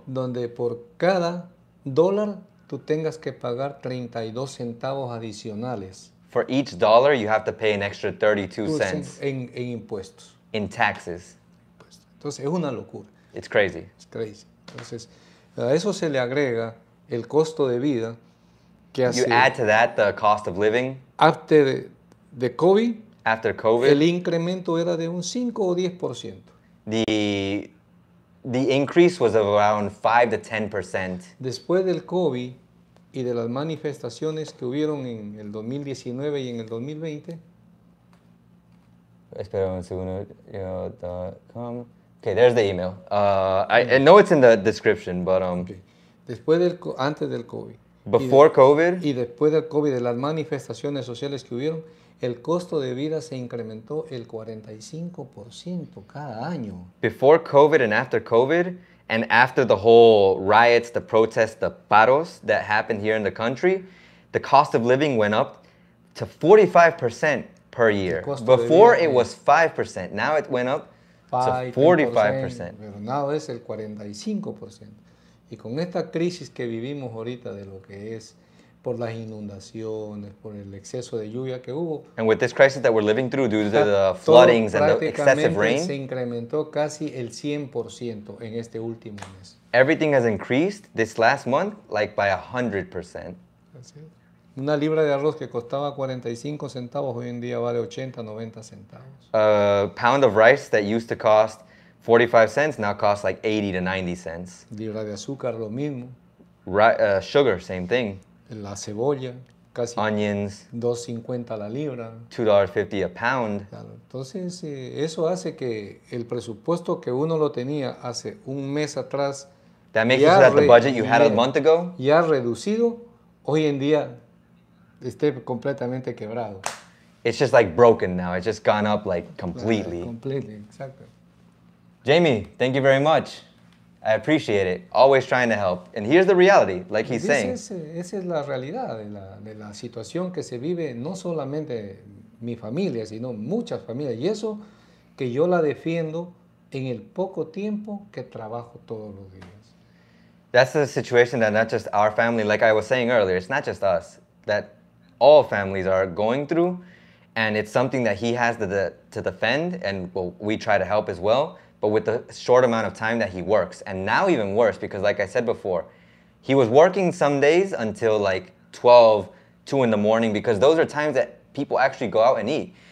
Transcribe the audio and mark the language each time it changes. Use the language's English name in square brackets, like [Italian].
[Spanish] Donde por cada dólar tú tengas que pagar 32 centavos adicionales. [English] For each dollar you have to pay an extra 32 cents. [Spanish] En impuestos. [English] In taxes. [Spanish] Entonces es una locura. [English] It's crazy. It's crazy. [Spanish] Entonces a eso se le agrega el costo de vida. [English] You add to that the cost of living. After the COVID. After COVID. [Spanish] El incremento era de un 5 o 10%. [English] The increase was of around 5 to 10%. [Spanish] Después del COVID y de las manifestaciones que hubieron en el 2019 y en el 2020. Espera un segundo. [English] Okay, there's the email. I know it's in the description, but. Okay. [Spanish] Antes del COVID. [English] Before COVID. [Spanish] Y después del COVID, de las manifestaciones sociales que hubieron, el costo de vida se incrementó el 45% cada año. [English] Before COVID, and after the whole riots, the protests, the paros that happened here in the country, the cost of living went up to 45% per year. Before it was 5%, now it went up to 45%. [Spanish] Pero [English] now [Spanish] es el 45%. Y con esta crisis que vivimos ahorita de lo que es por las inundaciones, por el exceso de lluvia que hubo. [English] And with this crisis that we're living through due to the floodings and the excessive rain. [Spanish] Se incrementó casi el 100% en este último mes. [English] Everything has increased this last month like by 100%. That's it. [Spanish] Una libra de arroz que costaba 45 centavos hoy en día vale 80, 90 centavos. [English] A pound of rice that used to cost 45 cents now costs like 80 to 90 cents. [Spanish] Libra de azúcar, lo mismo. [English] Sugar, same thing. [Spanish] La cebolla, casi. [English] Onions. [Spanish] $2.50 la libra. [English] $2.50 a pound. [Spanish] Claro. Entonces, eso hace que el presupuesto que uno lo tenía hace un mes atrás. [English] That makes you that the budget you had a month ago. [Spanish] Ya reducido, hoy en día esté completamente quebrado. [English] It's just like broken now. It's just gone up like completely. Completely, exactly. Jamie, thank you very much. I appreciate it. Always trying to help. And here's the reality, like he's saying. [Spanish] Esa es la realidad de la situación que se vive, no solamente mi familia, sino muchas familias. Y eso que yo la defiendo en el poco tiempo que trabajo todos los días. [English] That's the situation that not just our family, like I was saying earlier, it's not just us, that all families are going through. And it's something that he has to defend, and well, we try to help as well, but with the short amount of time that he works. And now even worse, because like I said before, he was working some days until like 12, 2 in the morning, because those are times that people actually go out and eat.